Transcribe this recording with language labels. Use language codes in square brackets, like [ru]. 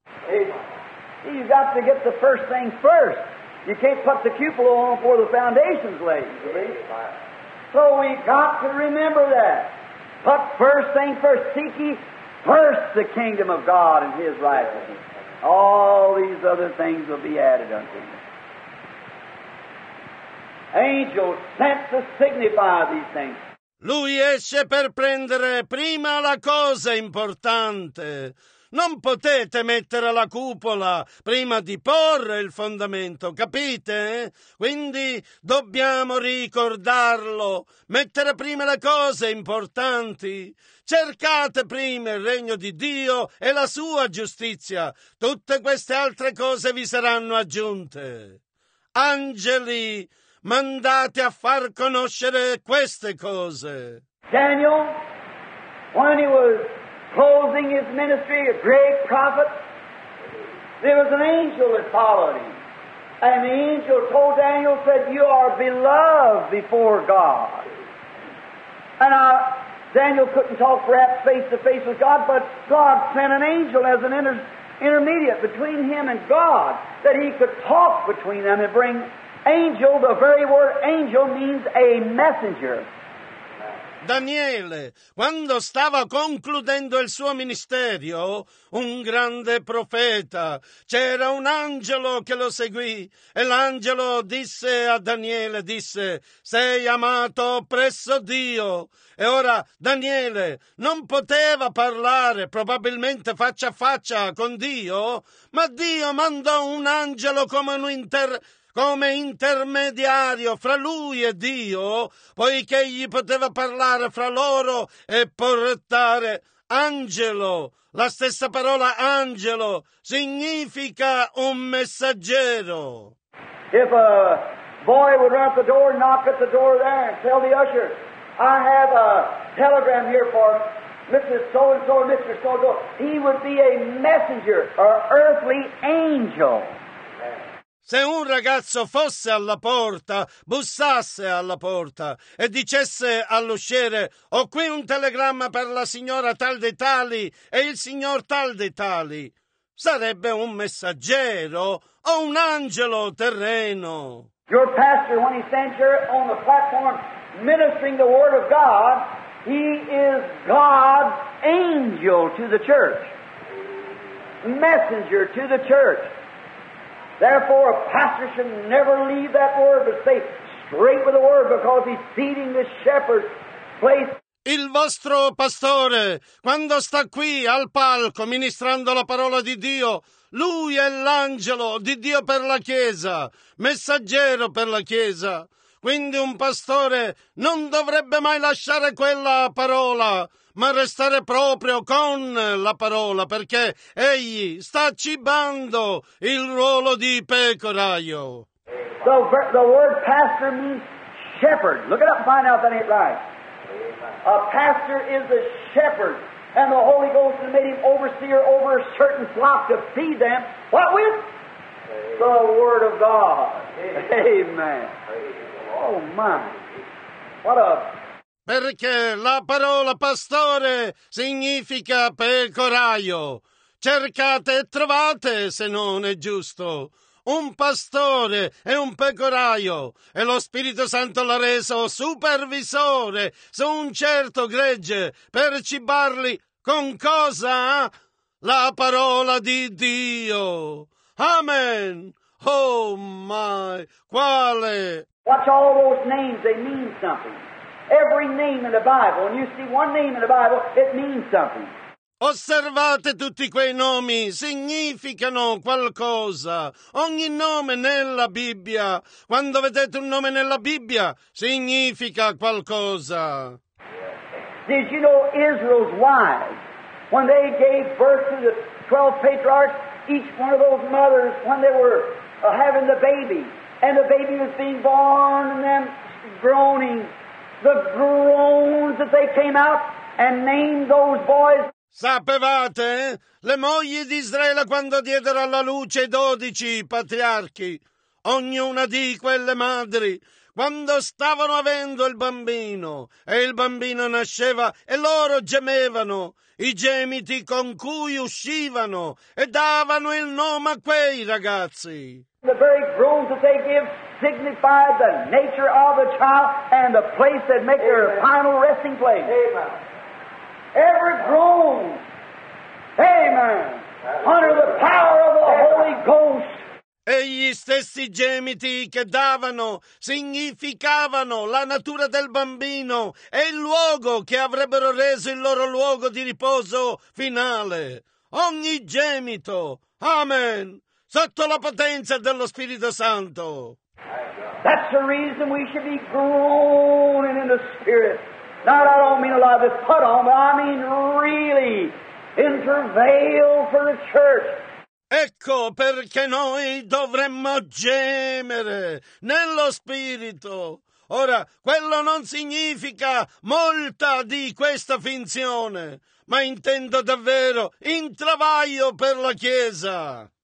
[en] Hey, you got to get the first thing first. You can't put the cupola on before the foundation's laid. So we got to remember that. Put first thing first. Seek ye first the kingdom of God and his righteousness. All these other things will be added unto you. Angels sent to signify these things. [it] Lui esce per prendere prima la cosa importante. Non potete mettere la cupola prima di porre il fondamento, capite? Quindi dobbiamo ricordarlo, mettere prima le cose importanti. Cercate prima il regno di Dio e la sua giustizia. Tutte queste altre cose vi saranno aggiunte. Angeli, mandate a far conoscere queste cose. [en] Daniel, when he was closing his ministry, a great prophet, there was an angel that followed him. And the angel told Daniel, said, you are beloved before God. And Daniel couldn't talk perhaps face to face with God, but God sent an angel as an intermediate between him and God, that he could talk between them and bring angel. The very word angel means a messenger. [it] Daniele, quando stava concludendo il suo ministero, un grande profeta, c'era un angelo che lo seguì e l'angelo disse a Daniele, disse, sei amato presso Dio. E ora Daniele non poteva parlare probabilmente faccia a faccia con Dio, ma Dio mandò un angelo come un come intermediario fra lui e Dio, poiché egli poteva parlare fra loro e portare angelo. La stessa parola angelo significa un messaggero. [en] If a boy would run at the door, knock at the door there and tell the usher, I have a telegram here for Mrs. So-and-so and Mr. So-and-so, he would be a messenger, an earthly angel. [it] Se un ragazzo fosse alla porta, bussasse alla porta e dicesse all'usciere: ho qui un telegramma per la signora tal dei tali e il signor tal dei tali, sarebbe un messaggero o un angelo terreno. [en] Your pastor, when he stands here on the platform ministering the word of God, he is God's angel to the church, messenger to the church. Therefore, a pastor should never leave that word, but stay straight with the word, because he's feeding the shepherd's place. [it] Il vostro pastore, quando sta qui al palco ministrando la parola di Dio, lui è l'angelo di Dio per la Chiesa, messaggero per la Chiesa. Quindi un pastore non dovrebbe mai lasciare quella parola, ma restare proprio con la parola, perché egli sta cibando il ruolo di pecoraio. [en] The word pastor means shepherd. Look it up and find out that ain't right. A pastor is a shepherd, and the Holy Ghost has made him overseer over a certain flock to feed them. What with? The Word of God. Amen. Oh, my. What a... [it] Perché la parola pastore significa pecoraio. Cercate e trovate, se non è giusto. Un pastore e un pecoraio, e lo Spirito Santo l'ha reso supervisore su un certo gregge per cibarli con cosa? La parola di Dio. Amen. Oh my, quale? [en] Watch all those names, they mean something. Every name in the Bible, when you see one name in the Bible, it means something. [it] Osservate tutti quei nomi, significano qualcosa. Ogni nome nella Bibbia, quando vedete un nome nella Bibbia, significa qualcosa. [en] Did you know Israel's wives, when they gave birth to the 12 patriarchs, each one of those mothers, when they were having the baby, and the baby was being born, and them groaning, the groans that they came out and named those boys. [it] Sapevate? Le mogli di Israele, quando diedero alla luce i 12 patriarchi, ognuna di quelle madri, quando stavano avendo il bambino, e il bambino nasceva, e loro gemevano, i gemiti con cui uscivano, e davano il nome a quei ragazzi. [en] The very groans that they give signify the nature of the child and the place that makes their final resting place. Amen. Every groan, amen, under the power of the Holy Ghost. [it] E gli stessi gemiti che davano significavano la natura del bambino e il luogo che avrebbero reso il loro luogo di riposo finale. Ogni gemito, amen, sotto la potenza dello Spirito Santo. [en] That's the reason we should be groaning in the Spirit. Not, I don't mean a lot of this put on, but I mean really in travail for the church. [it] Ecco perché noi dovremmo gemere nello Spirito. Ora, quello non significa molta di questa finzione, ma intendo davvero in travaglio per la Chiesa.